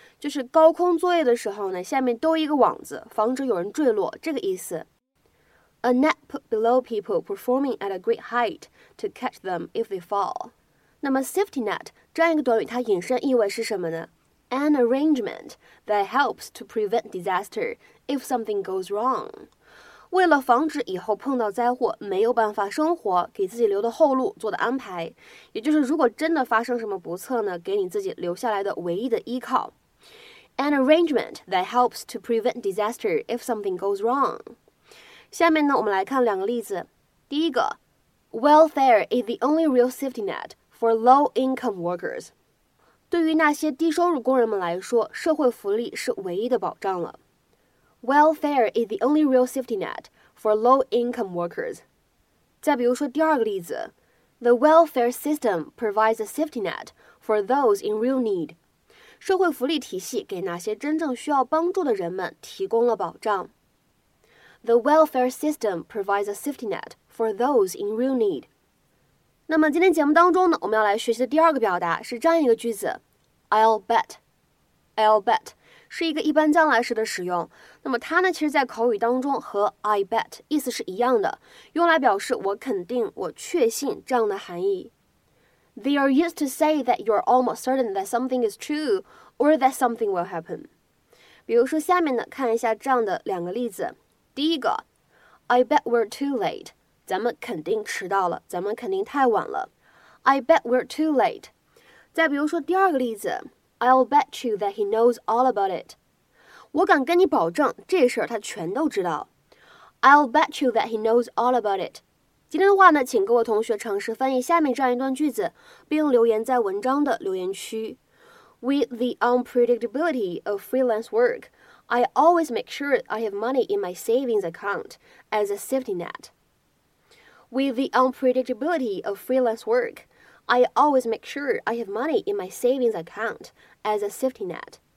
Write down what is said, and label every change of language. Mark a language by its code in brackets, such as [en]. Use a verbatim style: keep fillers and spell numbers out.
[zh] 就是高空作业的时候呢，下面兜一个网子，防止有人坠落，这个意思。 [en] A net put below people performing at a great height to catch them if they fall。 [zh] 那么 safety net 这样一个短语，它引申意味是什么呢？ [en] An arrangement that helps to prevent disaster if something goes wrong。 [zh] 为了防止以后碰到灾祸没有办法生活，给自己留的后路做的安排，也就是如果真的发生什么不测呢，给你自己留下来的唯一的依靠。 [en] An arrangement that helps to prevent disaster if something goes wrong。 [zh] 下面呢，我们来看两个例子。第一个 [en] Welfare is the only real safety net for low-income workers. [zh] 对于那些低收入工人们来说，社会福利是唯一的保障了。 [en] Welfare is the only real safety net for low-income workers. [zh] 再比如说第二个例子 [en] The welfare system provides a safety net for those in real need. [zh] 社会福利体系给哪些真正需要帮助的人们提供了保障。 [en] The welfare system provides a safety net for those in real need. [zh] 那么今天节目当中呢，我们要来学习的第二个表达是这样一个句子 I'll bet. I'll bet 是一个一般将来时的使用。那么它呢，其实在口语当中和 I bet 意思是一样的，用来表示我肯定、我确信这样的含义。 [en] They are used to say that you are almost certain that something is true or that something will happen. [zh] 比如说下面呢，看一下这样的两个例子。第一个 [en] I bet we're too late. [zh] 咱们肯定迟到了，咱们肯定太晚了。 [en] I bet we're too late. [zh] 再比如说第二个例子 [en] I'll bet you that he knows all about it. [zh] 我敢跟你保证，这事儿他全都知道。 [en] I'll bet you that he knows all about it. [zh] 今天的话呢，请各位同学尝试翻译下面这样一段句子，并留言在文章的留言区。 [en] With the unpredictability of freelance work, I always make sure I have money in my savings account as a safety net. With the unpredictability of freelance work, I always make sure I have money in my savings account as a safety net.